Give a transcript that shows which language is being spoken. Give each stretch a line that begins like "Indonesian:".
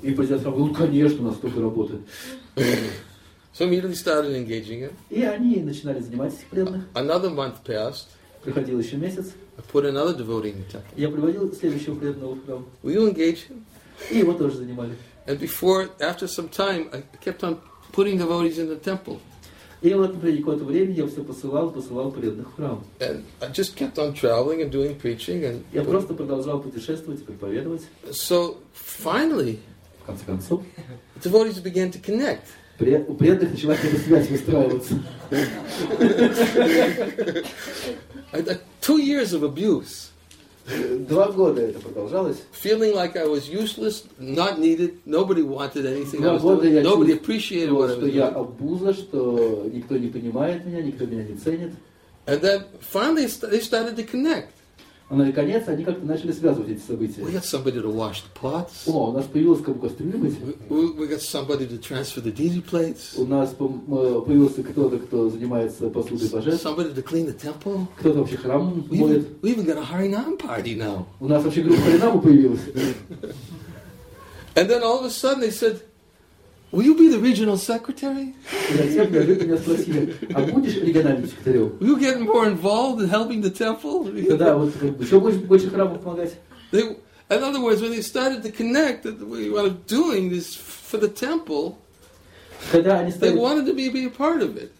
Russian: И президент сказал, ну конечно, у нас столько работы.
English: So immediately started engaging him.
Russian: И они начинали занимать этих преданных.
English: Another month passed.
Russian: Проходил еще месяц.
English: I put another devotee in the temple.
Russian: Я приводил следующего преданного в храм.
English: Will you engage him?
Russian: И его тоже занимали.
English: And before, after some time, I kept on putting devotees in the temple.
Russian: И вот, например, какое-то время я все посылал преданных в храм.
English: And I just kept on traveling and doing preaching. And
Russian: я просто продолжал путешествовать и проповедовать.
English: So, finally,
Russian: в конце концов,
English: the devotees began to connect.
Russian: У преданных началась связь выстраиваться.
English: Two years of abuse.
Russian: Два года это продолжалось.
English: Feeling like I was useless, not needed, nobody wanted anything.
Russian: Два года я
English: nobody appreciated what I was doing.
Russian: Что я обуза, что никто не понимает меня, никто меня не ценит.
English: And then finally they started to connect.
Russian: Но наконец они как-то начали связывать эти события.
English: We got somebody to wash the pots.
Russian: О, у нас появилась кому кастрюлю мыть.
English: We got somebody to transfer the dirty plates.
Russian: У нас появился кто-то, кто занимается посудой божественной.
English: Somebody to clean the temple.
Russian: Кто-то вообще храм моет.
English: We even got a Харинам party now.
Russian: У нас вообще группа Харинаму появилась.
English: And then all of a sudden they said, will you be the regional secretary? Will you get more involved in helping the temple? In other words, when they started to connect that we were doing this for the temple, they wanted to be a part of it.